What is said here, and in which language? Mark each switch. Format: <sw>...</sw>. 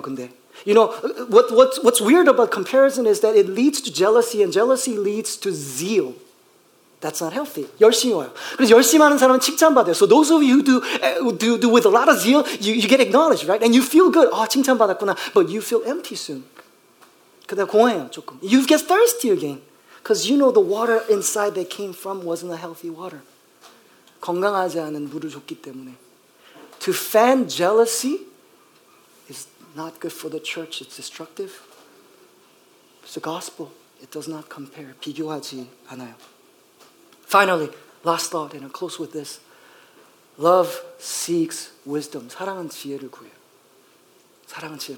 <en>근데 you know what's weird about comparison is that it leads to jealousy and jealousy leads to zeal. That's not healthy.</en> <ko>열심히 와요. 그래서 열심히 하는 사람은 칭찬받아요.</ko> <en>So those of you who do with a lot of zeal, you get acknowledged, right? And you feel good.</en> <ko>아, 칭찬받았구나.</ko> <en>But you feel empty soon.</en> <ko>그다음 공허해요, 조금.</ko> <en>You get thirsty again. Because you know the water inside they came from wasn't a healthy water.</en> <ko>건강하지 않은 물을 줬기 때문에.</ko> <en>To fan jealousy is not good for the church. It's destructive. It's the gospel. It does not compare.</en> <ko>비교하지 않아요.</ko> <en>Finally, last thought, and I'll close with this. Love seeks wisdom.</en> <ko>사랑은 지혜를 구해요. 사랑은 지혜.</ko>